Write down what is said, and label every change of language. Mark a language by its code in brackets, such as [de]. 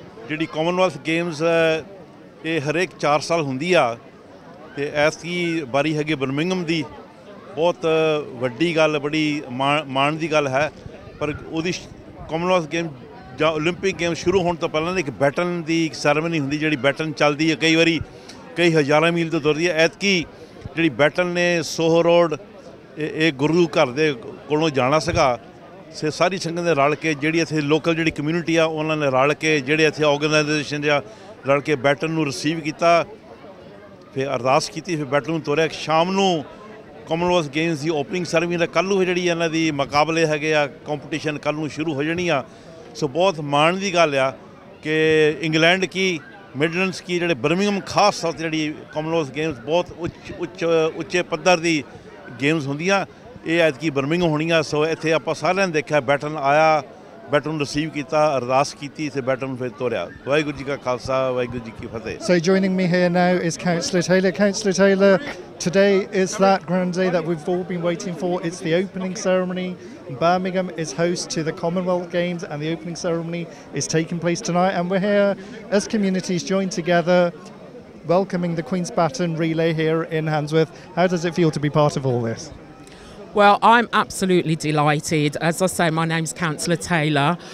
[pa] Jehdi Commonwealth Games eh harek 4 saal hundi aa te aas ki bari hage Birmingham di bahut vaddi gall, badi maan di gall hai, par odi Commonwealth Games ਜਾਂ Olympic game ਸ਼ੁਰੂ ਹੋਣ ਤੋਂ ਪਹਿਲਾਂ ਇੱਕ baton ਦੀ ਇੱਕ ceremony ਹੁੰਦੀ, ਜਿਹੜੀ baton ਚੱਲਦੀ ਹੈ ਕਈ ਵਾਰੀ ਕਈ ਹਜ਼ਾਰਾਂ ਮੀਲ ਤੋਂ ਦੁਰਦੀ ਹੈ। ਐਤਕੀ ਜਿਹੜੀ ਬੈਟਨ ਨੇ ਸੋਹੋ ਰੋਡ ਇਹ ਗੁਰੂ ਘਰ ਦੇ ਕੋਲੋਂ ਜਾਣਾ ਸੀਗਾ, ਸਾਰੀ ਸੰਗਤ ਨੇ ਰਲ ਕੇ, ਜਿਹੜੀ ਇੱਥੇ ਲੋਕਲ ਜਿਹੜੀ ਕਮਿਊਨਿਟੀ ਆ ਉਹਨਾਂ ਨੇ ਰਲ ਕੇ, ਜਿਹੜੇ ਇੱਥੇ ਔਰਗਨਾਈਜੇਸ਼ਨ ਆ ਰਲ ਕੇ ਬੈਟਨ ਨੂੰ ਰਿਸੀਵ ਕੀਤਾ, ਫਿਰ ਅਰਦਾਸ ਕੀਤੀ, ਫਿਰ ਬੈਟਨ ਨੂੰ ਤੋਰਿਆ। ਸ਼ਾਮ ਨੂੰ ਕਾਮਨਵੈਲਥ ਗੇਮਸ ਦੀ ਓਪਨਿੰਗ ਸੈਰੇਮਨੀ ਦਾ ਕੱਲ੍ਹ ਨੂੰ ਜਿਹੜੀ ਇਹਨਾਂ ਦੀ ਮੁਕਾਬਲੇ ਹੈਗੇ ਆ, ਕੰਪਟੀਸ਼ਨ ਕੱਲ੍ਹ ਨੂੰ ਸ਼ੁਰੂ ਹੋ ਜਾਣੀ ਆ। ਸੋ ਬਹੁਤ ਮਾਣ ਦੀ ਗੱਲ ਆ ਕਿ ਇੰਗਲੈਂਡ ਕੀ, ਮਿਡਲੈਂਡਸ ਕੀ, ਜਿਹੜੇ ਬਰਮਿੰਗਮ ਖਾਸ ਤੌਰ 'ਤੇ ਜਿਹੜੀ ਕਾਮਨਵੈਲਥ ਗੇਮਸ ਬਹੁਤ ਉੱਚੇ ਪੱਧਰ ਦੀ ਗੇਮਸ ਹੁੰਦੀਆਂ, ਇਹ ਐਤਕੀ ਬਰਮਿੰਗਮ ਹੋਣੀਆਂ। ਸੋ ਇੱਥੇ ਆਪਾਂ ਸਾਰਿਆਂ ਨੇ ਦੇਖਿਆ, ਬੈਟਨ ਆਇਆ, ਬੈਟਨ ਰਿਸੀਵ ਕੀਤਾ, ਅਰਦਾਸ ਕੀਤੀ, ਅਤੇ ਬੈਟਨ ਫਿਰ ਤੋਰਿਆ। ਵਾਹਿਗੁਰੂ ਜੀ ਕਾ ਖਾਲਸਾ, ਵਾਹਿਗੁਰੂ ਜੀ ਕੀ ਫਤਿਹ। [en] So joining me here now is councillor Taylor. Councillor Taylor, today is that grand day that we've all been waiting for, it's the opening ceremony. Birmingham is host to the Commonwealth Games and the opening ceremony is taking place tonight, and we're here as communities joined together welcoming the Queen's Baton Relay here in Handsworth. How does it feel to be part of all this? Well, I'm absolutely delighted. As I say, my name's Councillor Taylor.